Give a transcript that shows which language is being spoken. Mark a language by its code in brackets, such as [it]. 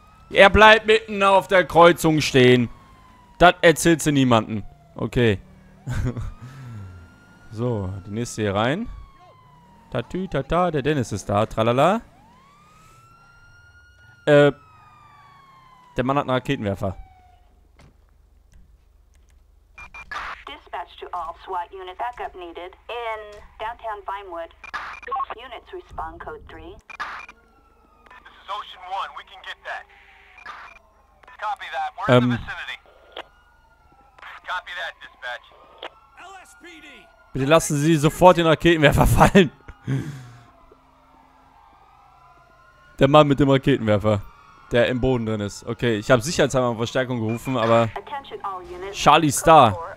[de] Er bleibt mitten auf der Kreuzung stehen. Das erzählt sie niemandem. Okay. So, die nächste hier rein. Tatü, tata, der Dennis ist da, tralala. Der Mann hat einen Raketenwerfer. [en] Dispatch to all SWAT units, backup needed in downtown Vinewood. Units respond code 3. This is Ocean 1, we can get that. Copy that, we're in the vicinity. Copy that, dispatch. LSPD! [de] Bitte lassen Sie sofort den Raketenwerfer fallen. Der Mann mit dem Raketenwerfer, der im Boden drin ist. Okay, ich habe sicherheitshalber Verstärkung gerufen, aber... [en] Charlie Star.